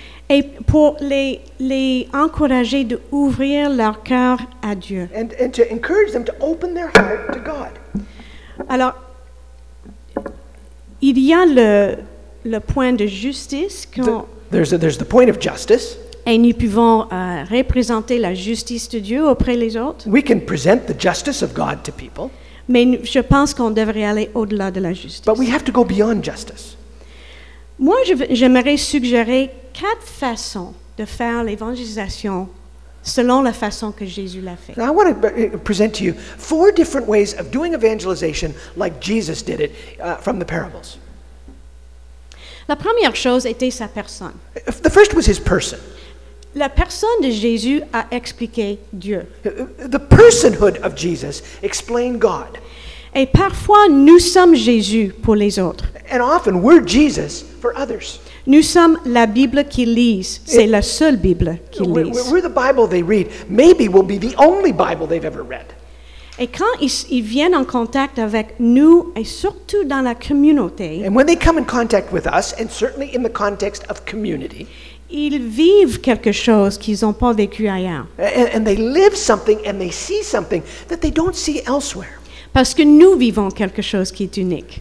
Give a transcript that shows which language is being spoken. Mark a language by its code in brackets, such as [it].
[fr] Et pour les encourager d'ouvrir leur cœur à Dieu. [en] And to encourage them to open their heart to God. [fr] Alors, il y a le point de justice quand. [en] There's the point of justice. [fr] Et nous pouvons représenter la justice de Dieu auprès des autres. [en] We can present the justice of God to people. [fr] Mais je pense qu'on devrait aller au-delà de la justice. [en] But we have to go beyond justice. [fr] Moi, j'aimerais suggérer quatre façons de faire l'évangélisation selon la façon que Jésus l'a fait. [en] Now, I want to present to you four different ways of doing evangelization like Jesus did it from the parables. [fr] La première chose était sa personne. [en] The first was his person. [fr] La personne de Jésus a expliqué Dieu. [en] The personhood of Jesus explained God. [fr] Et parfois, nous sommes Jésus pour les autres. [en] And often, we're Jesus for others. [fr] Nous sommes la Bible qu'ils lisent. C'est la seule Bible qu'ils lisent. [en] We're the Bible they read. Maybe we'll be the only Bible they've ever read. [fr] Et quand ils viennent en contact avec nous, et surtout dans la communauté, [en] and when they come in contact with us, and certainly in the context of community, [fr] ils vivent quelque chose qu'ils n'ont pas vécu ailleurs. [en] And they live something, and they see something that they don't see elsewhere. [fr] Parce que nous vivons quelque chose qui est unique.